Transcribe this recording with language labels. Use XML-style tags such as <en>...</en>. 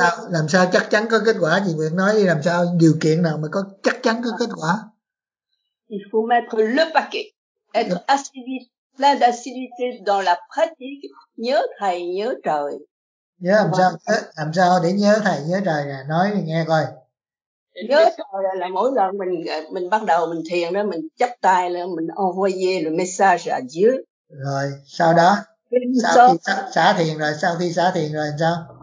<vi>Làm sao chắc chắn có kết quả? Chị Nguyệt nói đi, làm sao điều kiện nào mà có chắc chắn có kết quả?</vi> <fr>Il faut mettre le paquet, être assidu, plein d'assiduité dans la pratique,</fr> <vi>nhớ thầy nhớ trời. Nhớ làm sao để nhớ thầy nhớ trời nè, nói nghe coi. Nhớ trời là mỗi lần mình bắt đầu mình thiền đó, mình chắp tay là mình</vi> <fr>envoyer le message à Dieu.</fr> <vi>Rồi sau đó xả thiền rồi, sau khi xả thiền rồi sao?</vi>